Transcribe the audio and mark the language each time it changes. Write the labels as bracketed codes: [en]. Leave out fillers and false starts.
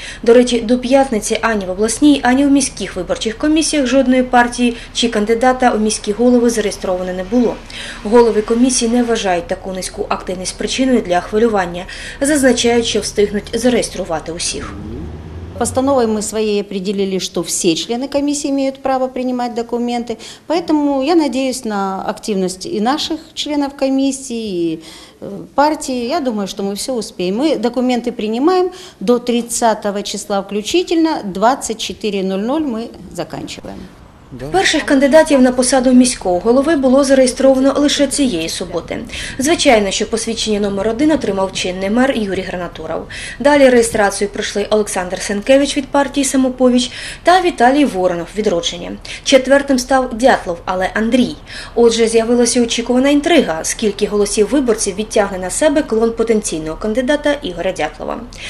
[uk] До речі, до п'ятниці ані в обласній, ані в міських виборчих комісіях жодної партії чи кандидата у міські голови зареєстровано не було. Голови комісії не вважають таку низьку активність причиною для хвилювання, зазначають, що встигнуть зареєструвати усіх. [ru] Постановой мы своей определили, что все члены комиссии имеют право принимать документы. Поэтому я надеюсь на активность и наших членов комиссии, и партии. Я думаю, что мы все успеем. Мы документы принимаем до 30 числа включительно, 24:00 мы заканчиваем. [uk] Перших кандидатів на посаду міського голови було зареєстровано лише цієї суботи. Звичайно, що посвідчення номер 1 отримав чинний мер Юрій Гранатуров. Далі реєстрацію пройшли Олександр Сенкевич від партії «Самопоміч» та Віталій Воронов «Відродження». Четвертим став Дятлов, але Андрій. Отже, з'явилася очікувана інтрига, скільки голосів виборців відтягне на себе клон потенційного кандидата Ігоря Дятлова.